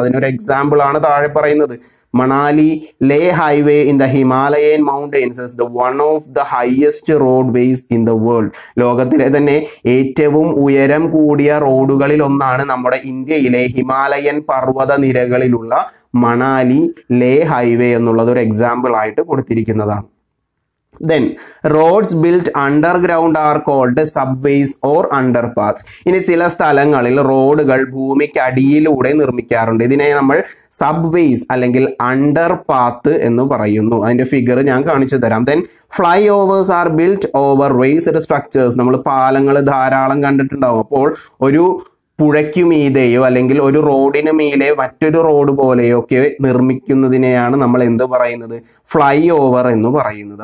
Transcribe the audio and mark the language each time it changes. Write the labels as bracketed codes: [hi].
[ml] അതിനൊരു എക്സാമ്പിളാണ് താഴെ പറയുന്നത്, [en] Manali Leh highway in the Himalayan mountains is the one of the highest roadways in the world. [ml] ലോകത്തിലെ തന്നെ ഏറ്റവും ഉയരം കൂടിയ റോഡുകളിൽ ഒന്നാണ് നമ്മുടെ ഇന്ത്യയിലെ ഹിമാലയൻ പർവ്വത നിരകളിലുള്ള മണാലി ലേ ഹൈവേ എന്നുള്ളത് ഒരു എക്സാമ്പിൾ ആയിട്ട് കൊടുത്തിരിക്കുന്നതാണ്. [en] Then, roads built underground are called subways or underpass. [ml] ഇനി ചില സ്ഥലങ്ങളിൽ റോഡുകൾ ഭൂമിക്കടിയിലൂടെ നിർമ്മിക്കാറുണ്ട്. ഇതിനെ നമ്മൾ subways അല്ലെങ്കിൽ underpath എന്ന് പറയുന്നു. അതിൻ്റെ ഫിഗർ ഞാൻ കാണിച്ചു തരാം. [en] Then fly overs R built over raised structures. [ml] നമ്മൾ പാലങ്ങൾ ധാരാളം കണ്ടിട്ടുണ്ടാവും. അപ്പോൾ ഒരു പുഴയ്ക്കുമീതെയോ അല്ലെങ്കിൽ ഒരു റോഡിന് മീലെ മറ്റൊരു റോഡ് പോലെയോ ഒക്കെ നിർമ്മിക്കുന്നതിനെയാണ് നമ്മൾ എന്ത് പറയുന്നത്, ഫ്ലൈ ഓവർ എന്ന് പറയുന്നത്.